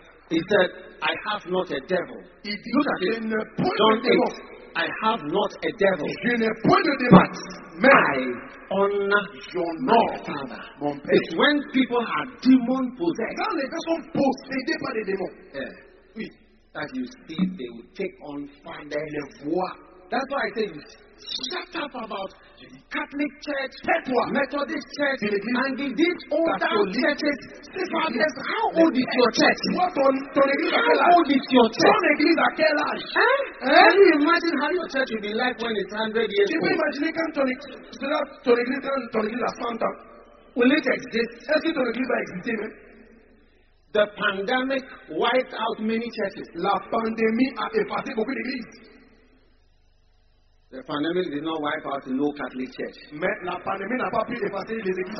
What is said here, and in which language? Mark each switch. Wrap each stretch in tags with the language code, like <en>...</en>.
<en>He said, I have not a devil. Look at it. Don't say it. I have not a devil.</en> <fr>Je n'ai point de devil.</fr> <en>But I honor your Lord, Father.</en> <fr>Mon père.</fr> <en>It's when people are demon possessed.</en> <fr>Quand les gens sont possédés par les démons.</fr> <en>Yeah.</en> <fr>Oui.</fr> <en>That you see, they will take on Father</en> <fr>le voix.</fr> <en>That's why I say you shut up about Catholic Church, Tetua, Methodist Church, Philippine, and these older churches. Fathers, how old is your church? What on how old is your church?</en> <fr>Ton église à quel âge?</fr> <en>Can you imagine how your church will be like when it's 100 years old? Can you imagine</en> <fr>quand ton église sera ton église à 100 ans?</fr> <en>Will it exist?</en> <fr>Est-ce que ton église va exister?</fr> <en>The pandemic wiped out many churches.</en> <fr>La pandémie a effacé beaucoup d'églises.</fr> <en>The pandemic did not wipe out no Catholic Church.</en> <fr>Mais la pandémie n'a pas pu effacer les églises</fr>